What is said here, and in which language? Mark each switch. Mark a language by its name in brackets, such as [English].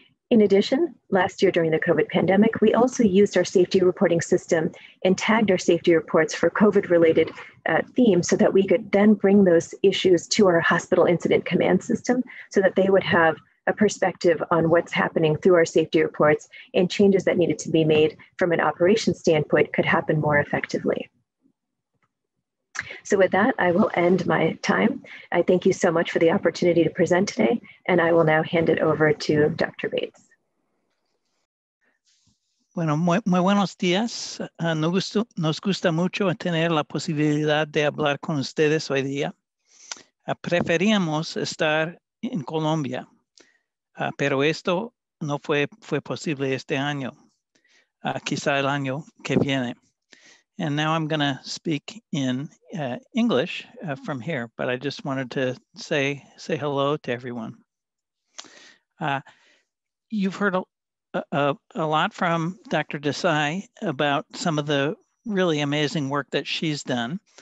[English] In addition, last year during the COVID pandemic, we also used our safety reporting system and tagged our safety reports for COVID-related themes so that we could then bring those issues to our hospital incident command system so that they would have a perspective on what's happening through our safety reports and changes that needed to be made from an operations standpoint could happen more effectively. So with that, I will end my time. I thank you so much for the opportunity to present today, and I will now hand it over to Dr. Bates. [Spanish] Bueno, muy buenos días. Nos gusta mucho tener la posibilidad de hablar con ustedes hoy día. Preferíamos estar en Colombia, pero esto no fue posible este año, quizá el año que viene. [English] And now I'm going to speak in English from here, but I just wanted to say hello to everyone. You've heard a lot from Dr. Desai about some of the really amazing work that she's done.